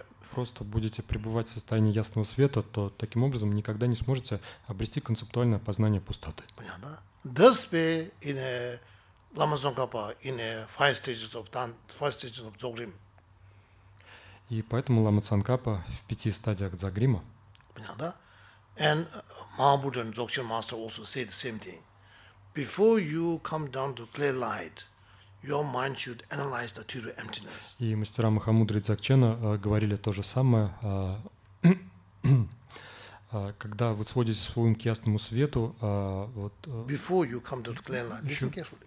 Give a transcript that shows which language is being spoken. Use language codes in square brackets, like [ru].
[ru] просто будете пребывать в состоянии ясного света, то таким образом никогда не сможете обрести концептуальное познание пустоты. Понятно, да? [en] That's why in a Lama Tsongkhapa, in a five stages of Dzogrim. [ru] И поэтому Лама Цанкапа в пяти стадиях Дзогрима. Понятно, да? [en] And Mahabuddha and Dzogchen Master also say the same thing. Before you come down to clear light, your mind should analyze the two emptiness. [ru] И мастера Махамудры и Дзогчена говорили то же самое. Когда вы сводите свой ум к ясному свету, вот, [en] before you come to the clear light, listen carefully.